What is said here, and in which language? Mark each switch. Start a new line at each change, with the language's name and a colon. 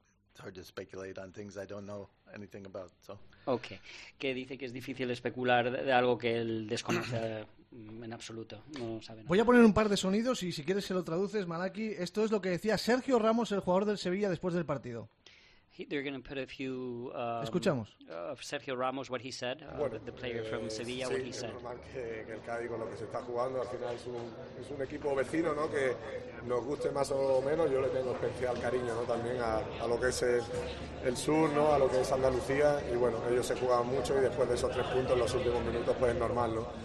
English: It's hard to speculate on things I don't know anything about. So. Okay.
Spanish: Que dice que es difícil especular de algo que él desconoce en absoluto. No sabe nada. Voy a poner un par de sonidos y si quieres se lo traduces, Malaki. Esto es lo que decía Sergio Ramos, el jugador del Sevilla, después del partido.
English: they're going to put a few
Spanish: escuchamos
English: of Sergio Ramos what he said the player from Sevilla
Spanish: sí,
English: what he said
Spanish: que el Cádiz con lo que se está jugando al final es un equipo vecino, ¿no? Que nos guste más o menos, yo le tengo especial cariño, ¿no? También a lo que es el sur, ¿no? A lo que es Andalucía y bueno, ellos se juegan mucho y después de esos tres puntos en los últimos minutos pues es normal, ¿no?